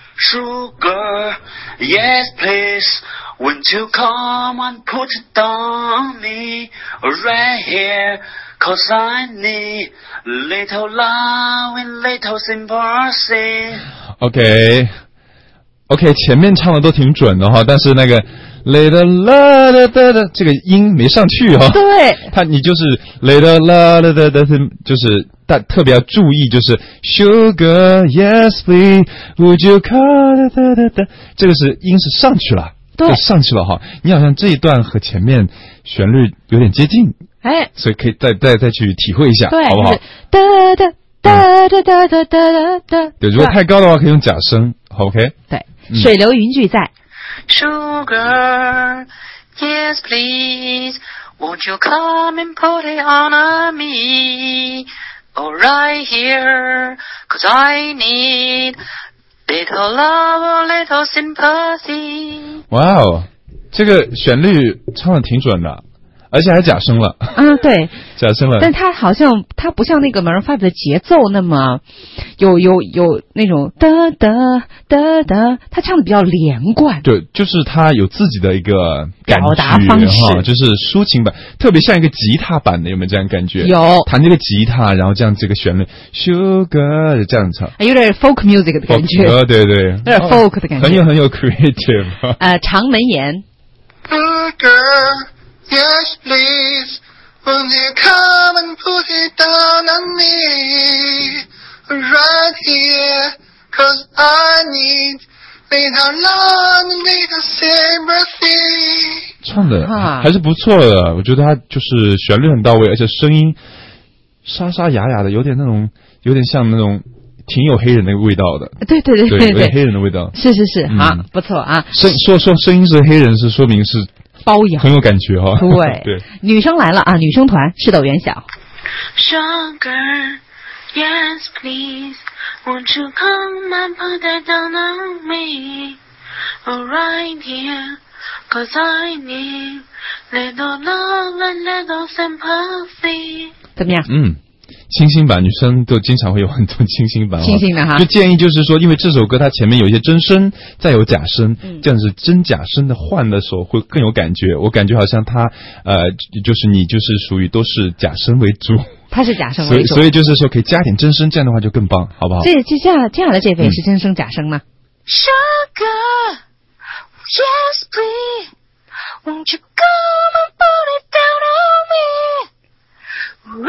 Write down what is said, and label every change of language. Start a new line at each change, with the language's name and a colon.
English: Sugar， yes please， won't you come and put it down me right here， cause I need little love and little sympathy。
Chinese: OK， 前面唱的都挺准的哈，但是那个
English: Little la da da da，
Chinese: 这个音没上去哈、哦。对，你就是
English: little la da da da，
Chinese: 就是特别要注意，就是
English: sugar yes please would you come da da
Chinese: da， 这个是音是上去了，对，上去了哈、哦。你好像这一段和前面旋律有点接近，哎，所以可以再去体会一下，对，好不好？哒哒哒哒哒哒哒哒哒。对，如果太高的话可以用假声 ，OK？对，水流云聚在。
English: Sugar, yes please, won't you come and put it on me? All right here, cause I need little love, little sympathy.
Chinese: Wow, 这个旋律唱得挺准的，而且还假声了。对，假声了。但它好像它不像那个 Maroon 5的节奏那么有那种哒哒哒哒，它唱的比较连贯。对，就是它有自己的一个感觉表达方式，就是抒情版，特别像一个吉他版的，有没有这样感觉？有，弹这个吉他，然后这样这个旋律 ，Sugar 这样唱，有点 folk music 的感觉。 Folk, 对对，有点 folk 的感觉，很有 creative。长门言。
English: Yes, please. Won't you come and put it down on me right here? 'Cause I need little love, little sympathy.
Chinese: 唱的还是不错的，我觉得他就是旋律很到位，而且声音沙沙哑哑的，有点像那种。挺有黑人的味道的，对对对对, 对，有点黑人的味道，是，好，不错啊。说声音是黑人，是说明是包养，很有感觉哈、哦。对对，女生来了啊，女生团赤豆元晓。
English: Sugar, yes please, won't you come and put it down on me, alright here, 'cause I need little love and little sympathy。
Chinese: 怎么样？嗯，清新版，女生都经常会有很多清新版，清新的哈。就建议就是说，因为这首歌它前面有一些真声，再有假声，这样子真假声的换的时候会更有感觉。我感觉好像它，就是你就是属于都是假声为主。它是假声为主，所以就是说可以加点真声，这样的话就更棒，好不好？这样的这位是真声假声吗？
English: Sugar, yes please, won't you come and put it down on me?